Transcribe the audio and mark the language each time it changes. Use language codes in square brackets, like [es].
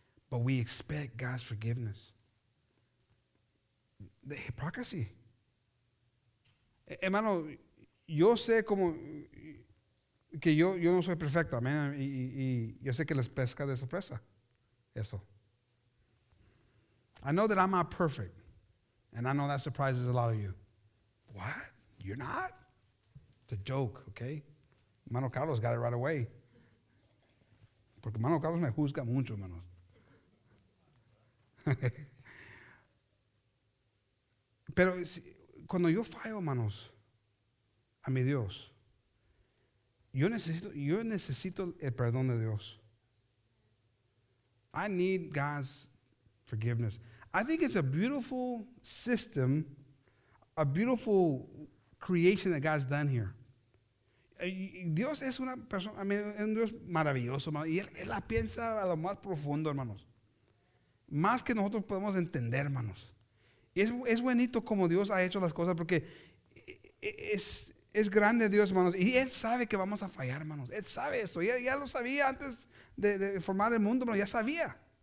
[en] But we expect God's forgiveness. The hypocrisy. [es] Hermano, yo sé como que yo no soy perfecto, amén. Y yo sé que les pesca de sorpresa eso. [en] I know that I'm not perfect. And I know that surprises a lot of you. What? You're not? It's a joke, okay? [es] Hermano Carlos [en] got it right away. [es] Porque hermano Carlos me juzga mucho, hermanos. Pero si, cuando yo fallo, hermanos, a mi Dios, yo necesito el perdón de Dios. [en] I need God's forgiveness. I think it's a beautiful system, a beautiful creation that God's done here. [es] Dios es una persona, [en] I mean, [es] es un Dios maravilloso, hermano. Y él la piensa a lo más profundo, hermanos. Más que nosotros podemos entender, hermanos. Y es bonito como Dios ha hecho las cosas, porque es grande Dios, hermanos. Y Él sabe que vamos a fallar, hermanos. Él sabe eso. Ya lo sabía antes de formar el mundo, hermanos. Ya sabía.